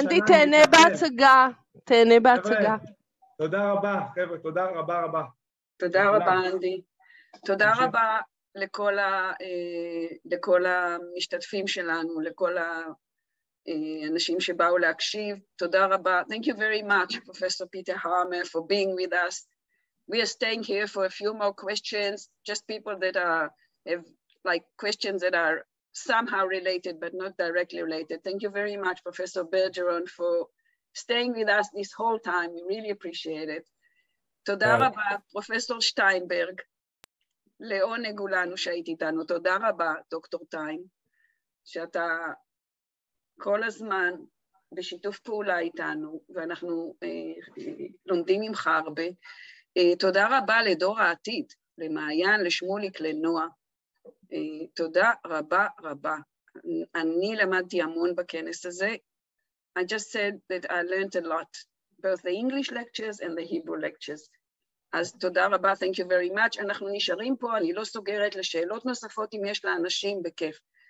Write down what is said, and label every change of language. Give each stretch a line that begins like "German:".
Hebrew: אנדי, תהנה בהצגה. תהנה בהצגה. תודה רבה, חבר'ה, תודה רבה רבה. תודה רבה, אנדי. תודה רבה לכל המשתתפים שלנו, לכל ה... אנשים שבאו להקשיב, תודה רבה.
English: Thank you very much, Professor Peter Harmer, for being with us. We are staying here for a few more questions, just people that have questions that are somehow related, but not directly related. Thank you very much, Professor Bergeron, for staying with us this whole time. We really appreciate it.
Hebrew: תודה רבה, Professor Steinberg, לעונג אולנו שהיית איתנו. תודה רבה, דוקטור טיים, שאתה... כל הזמן בשיתוף פעולה איתנו, ואנחנו לומדים ממך הרבה. תודה רבה לדור העתיד, למעיין, לשמוליק, לנועה. תודה רבה רבה. אני למדתי המון בכנס הזה.
English: I just said that I learned a lot, both the English lectures and the Hebrew lectures.
Hebrew: אז תודה רבה,
English: thank you very much.
Hebrew: אנחנו נשארים פה, אני לא סוגרת לשאלות נוספות, אם יש לאנשים, בכיף.